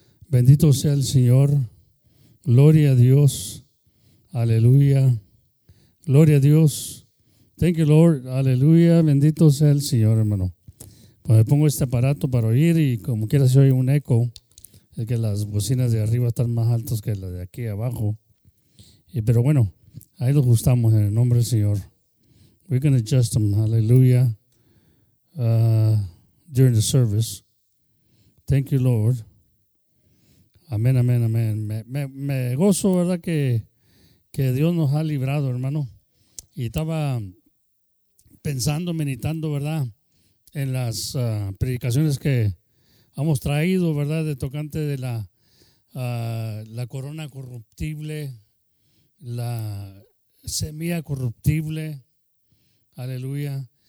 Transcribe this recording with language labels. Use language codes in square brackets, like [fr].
[es] Bendito sea el Señor. Gloria a Dios. Aleluya. Gloria a Dios. [en] Thank you, Lord. [es] Aleluya. Bendito sea el Señor, hermano. Pues me pongo este aparato para oír y como quiera se oye un echo. Es que las bocinas de arriba están más altas que las de aquí abajo. Y, pero bueno. Ahí lo ajustamos en el nombre del Señor. [en] We can adjust them, hallelujah, during the service. Thank you, Lord. [es] Amén, amén, amén. Me gozo, ¿verdad?, que Dios nos ha librado, hermano. Y estaba pensando, meditando, ¿verdad?, en las predicaciones que hemos traído, ¿verdad?, de tocante de la corona corruptible, la semilla corruptible, aleluya.